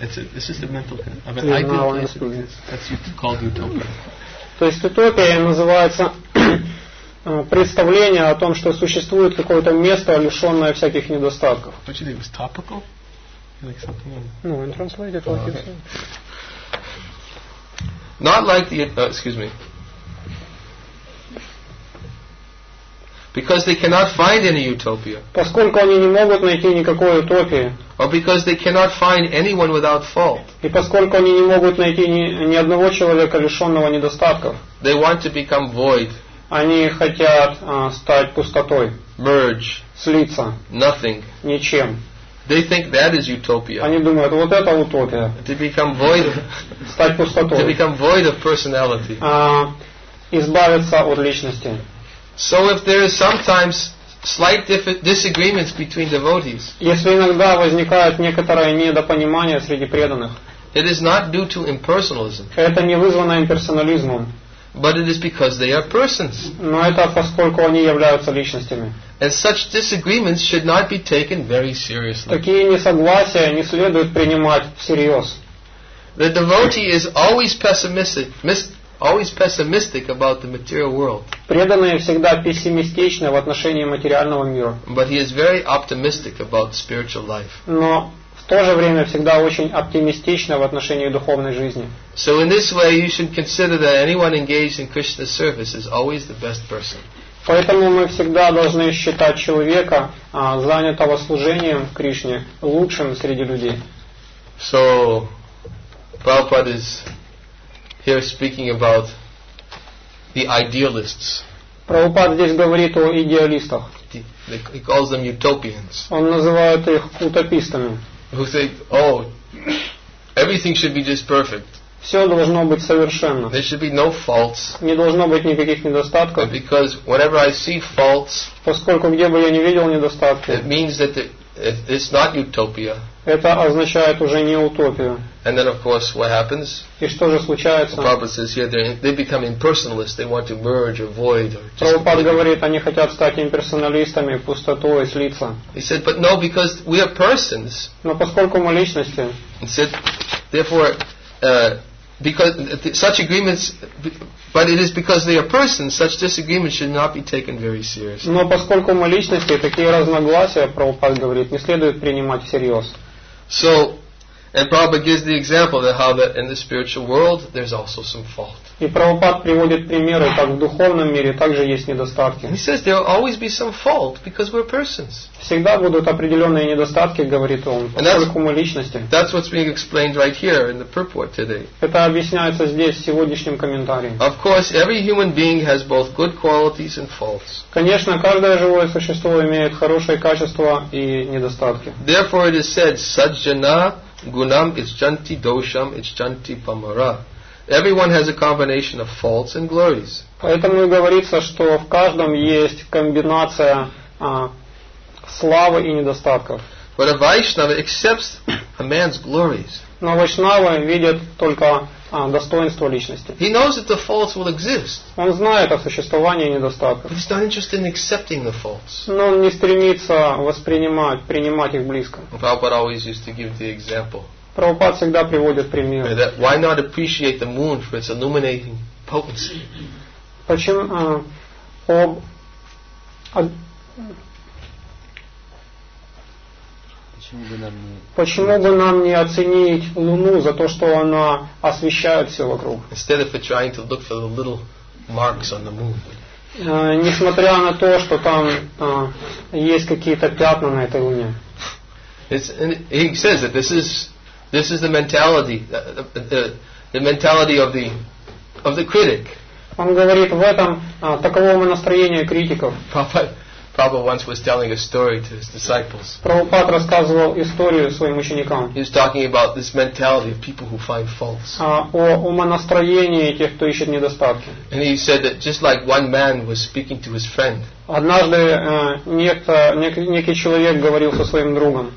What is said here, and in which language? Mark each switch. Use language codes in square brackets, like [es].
[en] This is the mental of an ideal place that exists. That's called utopia. [ru] То есть утопия называется представление о том, что существует какое-то место, лишенное всяких недостатков. [en] What you think, it was topical? Like something on... No, I translated it like okay. Not like the... excuse me. Because they cannot find any utopia. [ru] Поскольку они не могут найти никакой утопии. [en] Or because they cannot find anyone without fault. [ru] И поскольку они не могут найти ни одного человека, лишенного недостатков. [en] They want to become void. [ru] Они хотят стать пустотой. [en] Merge. [ru] Слиться. [en] Nothing. [ru] Ничем. [en] They think that is utopia. [ru] Они думают, вот это утопия. [en] To become void. [ru] Стать пустотой. [en] To become void of personality. [ru] Избавиться от личности. [en] So if there is sometimes slight disagreements between devotees. [ru] Если иногда возникает некоторое недопонимание среди преданных. [en] It is not due to impersonalism. [ru] Это не вызвано имперсонализмом. [en] But it is because they are persons. [ru] Но это поскольку они являются личностями. [en] And such disagreements should not be taken very seriously. [ru] Такие несогласия не следует принимать всерьез. [en] The devotee is always pessimistic about the material world. [ru] Преданные всегда пессимистичны в отношении материального мира. [en] But he is very optimistic about spiritual life. [ru] Но в то же время всегда очень оптимистично в отношении духовной жизни. [en] So in this way you should consider that anyone engaged in Krishna's service is always the best person. [ru] Поэтому мы всегда должны считать человека, занятого служением Кришне, лучшим среди людей. [en] So Prabhupada is here speaking about the idealists. [ru] Прабхупада здесь говорит о идеалистах. [en] He calls them utopians. [ru] Он называет их утопистами. [en] Who say, oh, everything should be just perfect. [ru] Все должно быть совершенно. [en] There should be no faults. [ru] Не должно быть никаких недостатков. [en] But because whenever I see faults, [ru] поскольку где бы я не видел недостатки, [en] it means that it's not utopia. [ru] Это означает уже не утопию. [en] And then, of course, what happens? [ru] И что же случается? [en] The Prabhupada says here they become impersonalists. They want to merge, avoid, or just. [ru] Прабхупада говорит, они хотят стать имперсоналистами, пустотой, слиться. [en] He said, but no, because we are persons. [ru] Но поскольку мы личности. [en] He said, therefore, because such agreements, but it is because they are persons, such disagreements should not be taken very seriously. [ru] Но поскольку мы личности, такие разногласия, Прабхупада говорит, не следует принимать всерьез. [en] So, and Prabhupada gives the example that how that in the spiritual world there's also some fault. [ru] И Прабхупада приводит примеры, как в духовном мире также есть недостатки. [en] He says there will always be some fault because we're persons. [ru] Всегда будут определенные недостатки, говорит он, поскольку мы личности. [en] That's what's being explained right here in the purport today. [ru] Это объясняется здесь в сегодняшнем комментарии. [en] Of course, every human being has both good qualities and faults. [ru] Конечно, каждое живое существо имеет хорошие качества и недостатки. [en] Therefore, it is said, [sa] саджана гунам ичанти дошам ичанти памара. [en] Everyone has a combination of faults and glories. [ru] Поэтому и говорится, что в каждом есть комбинация славы и недостатков. [en] But a Vaishnava accepts a man's glories. [ru] Но Вайшнава видит только достоинство личности. [en] He knows that the faults will exist. [ru] Он знает о существовании недостатков. [en] But he's not interested in accepting the faults. [ru] Но он не стремится воспринимать, принимать их близко. [en] Prabhupada always used to give the example. [ru] Прабхупад всегда приводит пример. [en] That why not appreciate the moon for its illuminating potency? [ru] Почему почему бы нам не оценить Луну за то, что она освещает все вокруг? [en] Instead of trying to look for the little marks on the moon. [ru] Несмотря на то, что там есть какие-то пятна на этой Луне. [en] He says that this is the mentality, the mentality of the critic. [ru] Он говорит, в этом таковому настроению критиков. [en] Prabhupada once was telling a story to his disciples. [ru] Прабхупад рассказывал историю своим ученикам. [en] He was talking about this mentality of people who find faults. [ru] О умонастроении тех, кто ищет недостатки. [en] And he said that just like one man was speaking to his friend. [ru] Однажды некий человек говорил со своим другом.